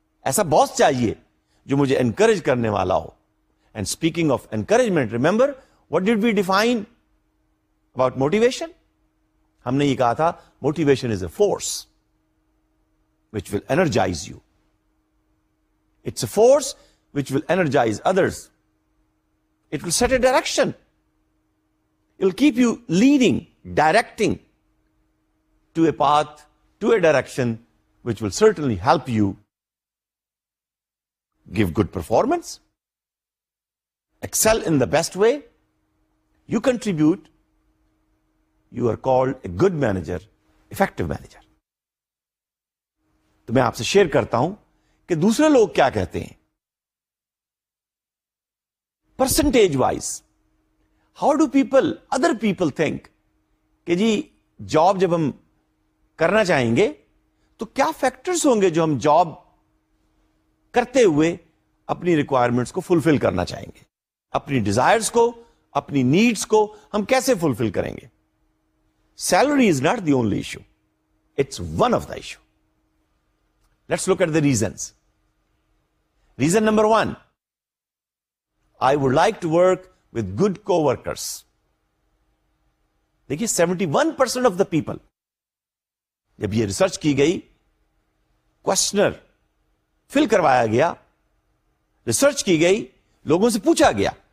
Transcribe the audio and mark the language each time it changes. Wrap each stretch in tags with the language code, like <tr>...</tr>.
<ur>ایسا باس چاہیے جو مجھے انکریج کرنے والا ہو</ur> <en>and speaking of encouragement remember what did we define about motivation</en> <ur>ہم نے یہ کہا تھا</ur> <en>Motivation is a force which will energize you it's a force which will energize others. It will set a direction. It will keep you leading, directing to a path, to a direction, which will certainly help you give good performance, excel in the best way. You contribute. You are called a good manager, effective manager. So, I will share with you what other people say. Percentage wise, how do people, other people think,</en> <ur>کہ جی job جب ہم کرنا چاہیں گے تو کیا factors ہوں گے جو ہم job کرتے ہوئے اپنی requirements کو fulfill کرنا چاہیں گے اپنی ڈیزائرز کو، اپنی نیڈز کو ہم کیسے فلفل کریں گے.</ur> <en>Salary is not the only issue, it's one of the issue. Let's look at the reasons. Reason number one, I would like to work with good coworkers.</en> <ur>دیکھیے 71% آف دا پیپل، جب یہ research کی گئی، questionnaire فل کروایا گیا، research کی گئی، لوگوں سے پوچھا گیا،</ur>